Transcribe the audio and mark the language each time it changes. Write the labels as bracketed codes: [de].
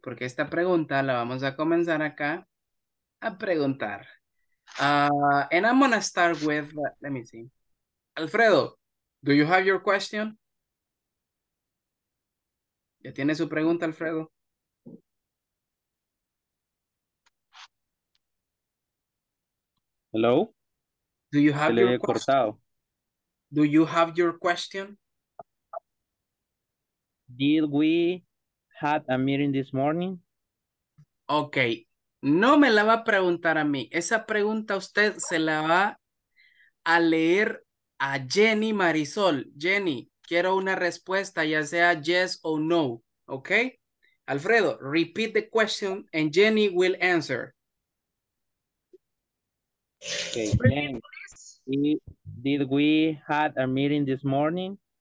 [es] Porque esta pregunta la vamos a comenzar acá a preguntar. [en] And I'm going to start with, let me see. Alfredo, do you have your question? [es] ¿Ya tiene su pregunta, Alfredo? [en] Hello? Do you have your question? [es] Cortado. [en] Do you have your question? Did we have a meeting this morning? Okay. [es] No me la va a preguntar a mí. Esa pregunta usted se la va a leer a Jenny Marisol. Jenny, quiero una respuesta, ya sea yes o no. [en] Okay? Alfredo, repeat the question and Jenny will answer. Okay, Jenny, did we have a meeting this morning?